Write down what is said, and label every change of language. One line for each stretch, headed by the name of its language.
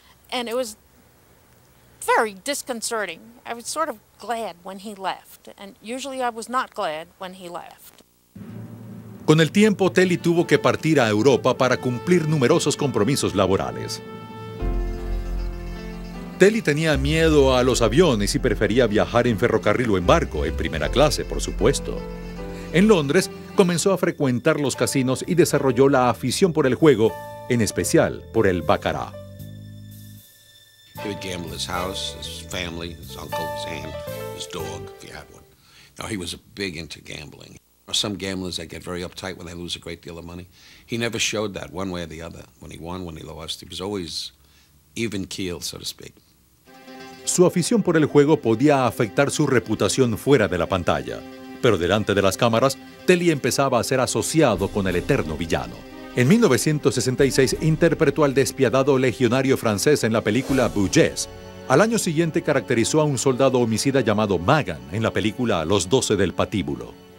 English: And it was very disconcerting. I was sort of glad when he left, and usually I was not glad when he left.
Spanish: Con el tiempo, Telly tuvo que partir a Europa para cumplir numerosos compromisos laborales. Telly tenía miedo a los aviones y prefería viajar en ferrocarril o en barco, en primera clase, por supuesto. En Londres, comenzó a frecuentar los casinos y desarrolló la afición por el juego, en especial por el baccarat.
English: He would gamble his house, his family, his uncle, his aunt, his dog, if he had one. Now, he was big into gambling. Some gamblers, they get very uptight when they lose a great deal of money. He never showed that one way or the other. When he won, when he lost, he was always even keel, so to speak.
Spanish: Su afición por el juego podía afectar su reputación fuera de la pantalla. Pero delante de las cámaras, Telly empezaba a ser asociado con el eterno villano. En 1966, interpretó al despiadado legionario francés en la película Bouges. Al año siguiente, caracterizó a un soldado homicida llamado Magan en la película Los Doce del Patíbulo.